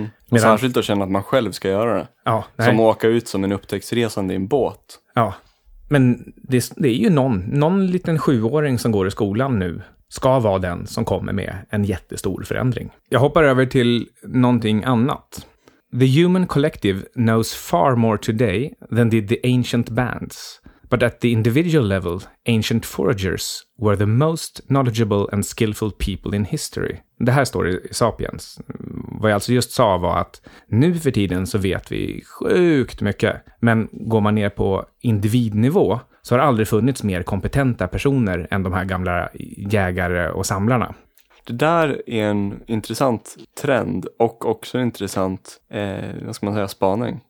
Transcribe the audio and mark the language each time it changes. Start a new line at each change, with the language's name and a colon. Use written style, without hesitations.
Swedish: Och särskilt att känna att man själv ska göra det. Ja, nej. Som att åka ut som en upptäcktsresande i en båt. Ja, men det är ju någon liten 7-åring som går i skolan nu ska vara den som kommer med en jättestor förändring. Jag hoppar över till någonting annat.
English: The human collective knows far more today than did the ancient bands. But at the individual level, ancient foragers were the most knowledgeable and skillful people in history.
Swedish: Det här står i Sapiens. Vad jag alltså just sa var att nu för tiden så vet vi sjukt mycket. Men går man ner på individnivå så har det aldrig funnits mer kompetenta personer än de här gamla jägare och samlarna. Det där är en intressant trend och också en intressant spaning.